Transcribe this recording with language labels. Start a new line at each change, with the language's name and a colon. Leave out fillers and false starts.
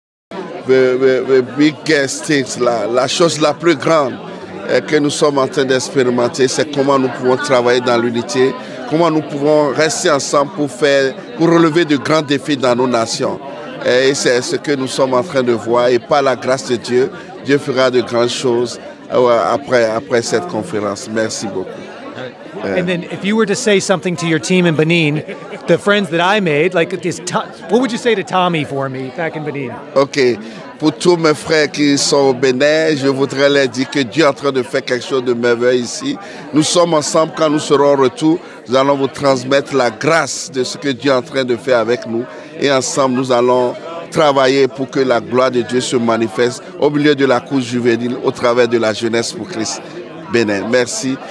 English: The biggest things,
French: la chose la plus grande que nous sommes en train d'expérimenter, c'est comment nous pouvons travailler dans l'unité, comment nous pouvons rester ensemble pour relever de grands défis dans nos nations. Et c'est ce que nous sommes en train de voir. Et par la grâce de Dieu, Dieu fera de grandes choses après cette conférence. Merci beaucoup.
English: And then, if you were to say something to your team in Benin, the friends that I made, like this, what would you say to Tommy for me back in Benin?
French: Okay, pour tous mes frères qui sont au Bénin, je voudrais leur dire que Dieu est en train de faire quelque chose de merveilleux ici. Nous sommes ensemble. Quand nous serons retour, nous allons vous transmettre la grâce de ce que Dieu est en train de faire avec nous. Et ensemble, nous allons travailler pour que la gloire de Dieu se manifeste au milieu de la course juvénile, au travers de la jeunesse pour Christ. Bénin, merci.